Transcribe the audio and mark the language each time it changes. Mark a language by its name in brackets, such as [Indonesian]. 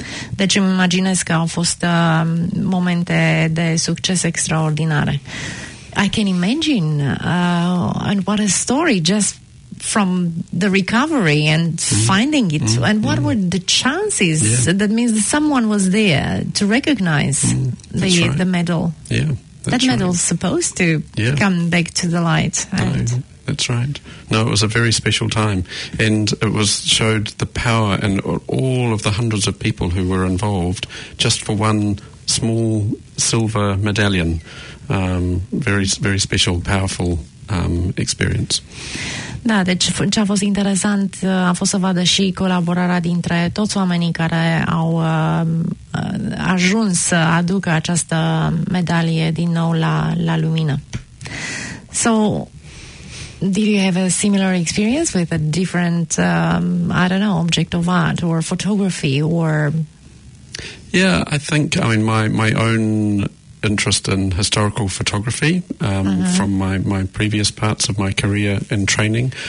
[Romanian] Deci îmi imaginez că au fost momente de succes extraordinare. [English] I can imagine, and what a story just from the recovery and finding it. Mm. And what were the chances? Yeah. That means that someone was there to recognize the medal. Yeah, that medal's supposed to come back to the light. And that's right. No, it was a very special time, and it was showed the power and all of the hundreds of people who were involved just for one small silver medallion. Very, very special, powerful experience. [Romanian] Da, deci ce a fost interesant a fost să vadă și colaborarea dintre toți oamenii care au ajuns să aducă această medalie din nou la lumină. [English] So, did you have a similar experience with a different, I don't know, object of art or photography or... Yeah, I think, I mean, my own interest in historical photography from my previous parts of my career and training.